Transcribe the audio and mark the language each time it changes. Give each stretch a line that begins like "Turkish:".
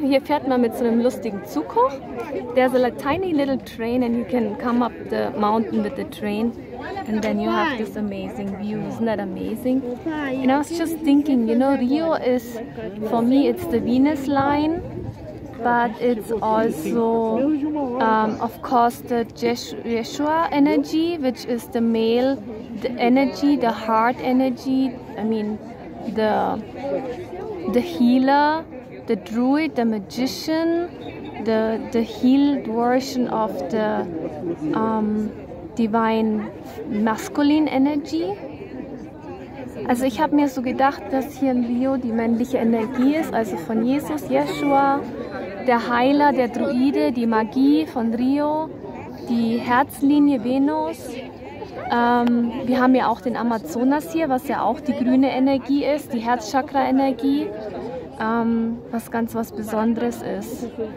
German: Hier fährt man mit so einem lustigen Zug hoch.
English: There's a tiny little train and you can come up the mountain with the train. And then you have this amazing view. Isn't that amazing? And I was just thinking, you know, Rio is, for me, it's the Venus line. But it's also, of course, the Yeshua energy, which is the male the energy, the heart energy, I mean, the healer, the druid, the magician, the healed version of the divine masculine energy.
German: Also ich habe mir so gedacht, dass hier in Rio die männliche Energie ist, also von Jesus, Yeshua, der Heiler, der Druide, die Magie von Rio, die Herzlinie Venus. Wir haben ja auch den Amazonas hier, was ja auch die grüne Energie ist, die Herzchakra-Energie, was ganz was Besonderes ist.